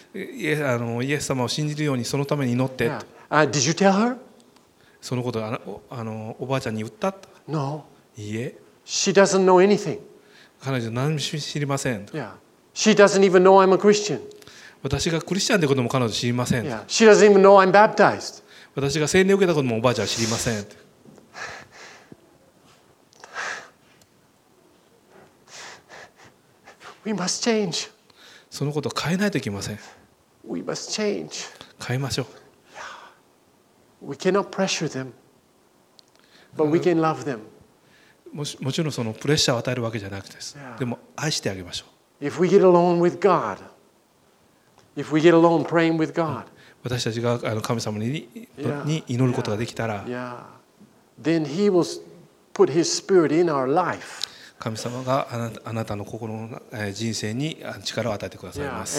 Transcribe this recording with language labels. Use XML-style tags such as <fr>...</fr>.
<ja>イエス様を信じるようにそのために祈って。</ja> <en>Yeah. Did you tell her?</en> <ja>そのことをおばあちゃんに言った</ja> <en>No.</en> <ja>いえ。</ja> <en>She doesn't know anything.</en> <ja>彼女何も知りません。</ja> <en>Yeah. She doesn't even know I'm a Christian.</en> <ja>私がクリスチャンということも彼女知りません。</ja> <en>Yeah. She doesn't even know I'm baptized.</en> <ja>私が洗礼を受けたこともおばあちゃんは知りません。</ja> <en>We must change.</en> <ja>そのことを変えないといけません。</ja> <en>We must change.</en> <ja>変えましょう。</ja> <en>We cannot pressure them, but we can love them.</en> <ja>もちろんそのプレッシャーを与えるわけじゃなくてです。でも愛してあげましょう。</ja> <en>If we get alone with God, if we get alone praying with God,</en> <ja>私たちが神様に祈ることができたら、</ja> <en>then He will put His Spirit in our life.</en> <ja>神様があなたの心の人生に力を与えてくださいます。</ja>